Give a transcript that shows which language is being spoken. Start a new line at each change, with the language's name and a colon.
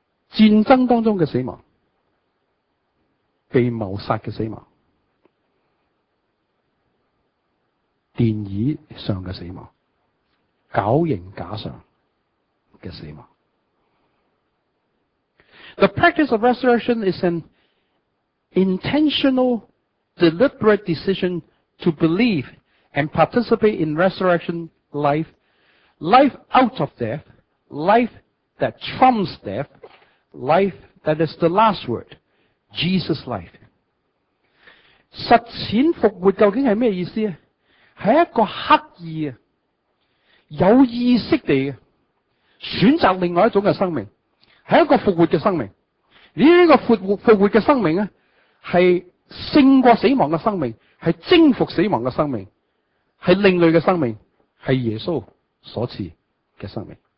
Chinese: 战争当中的死亡、被谋杀的死亡、电椅上的死亡、绞刑架上的死亡。
English: The practice of resurrection is an intentional, deliberate decision to believe and participate in resurrection life, life out of death, life that trumps death, life that is the last word, Jesus' life.
Chinese: 实践复活究竟是什么意思？是一个刻意有意识地选择另外一种的生命，是一个复活的生命。这个复活的生命是胜过死亡的生命，是征服死亡的生命，是另类的生命，是耶稣所赐的生命。